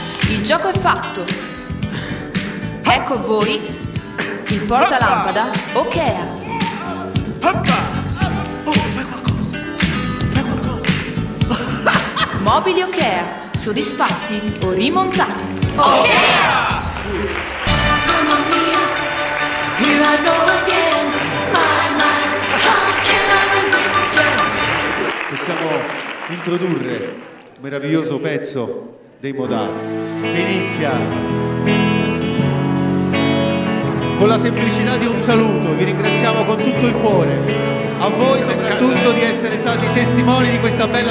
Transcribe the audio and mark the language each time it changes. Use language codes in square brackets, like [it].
[it] Il gioco è fatto. Ecco a voi il portalampada Okea. Mobili Okea, soddisfatti o rimontati. Okea! [en] Mamma mia, here I go again, my, how can I resist you? [it] Possiamo introdurre un meraviglioso pezzo dei Modà che inizia con la semplicità di un saluto. Vi ringraziamo con tutto il cuore. A voi soprattutto di essere stati testimoni di questa bella